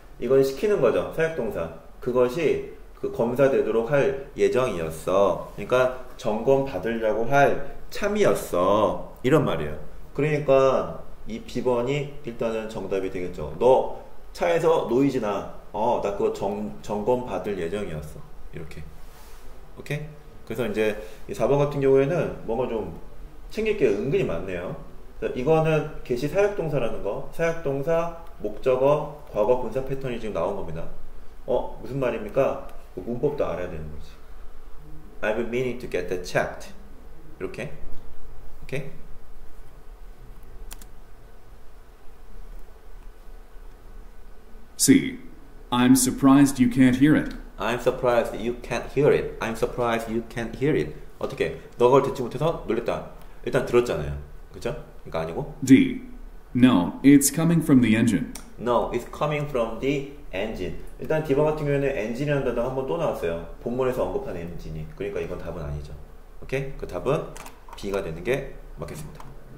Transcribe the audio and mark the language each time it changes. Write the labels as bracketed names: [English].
[Korean] 이건 시키는 거죠. 사역동사. 그것이 그 검사되도록 할 예정이었어. 그러니까 점검 받으려고 할 참이었어. 이런 말이에요. 그러니까 이 B번이 일단은 정답이 되겠죠. 너 차에서 노이즈나 나 그거 점검 받을 예정이었어. 이렇게. 오케이? 그래서 이제 이 4번 같은 경우에는 뭔가 좀 챙길 게 은근히 많네요. 이거는 게시 사역동사라는 거. 사역동사, 목적어, 과거 분사 패턴이 지금 나온 겁니다. 무슨 말입니까? 그 문법도 알아야 되는 거지. [English] I've been meaning to get that checked. [Korean] 이렇게. 오케이? 4. [English] I'm surprised you can't hear it. I'm surprised you can't hear it. I'm surprised you can't hear it. [Korean] 어떻게? 너 그걸 듣지 못해서 놀랬다. 일단 들었잖아요. 그죠? 그러니까 아니고. [English] D. No, it's coming from the engine. No, it's coming from the engine. [Korean] 일단 D번 같은 경우에는 엔진이라는 단어 한 번 또 나왔어요. 본문에서 언급한 엔진이. 그러니까 이건 답은 아니죠. 오케이? 그 답은 B가 되는 게 맞겠습니다.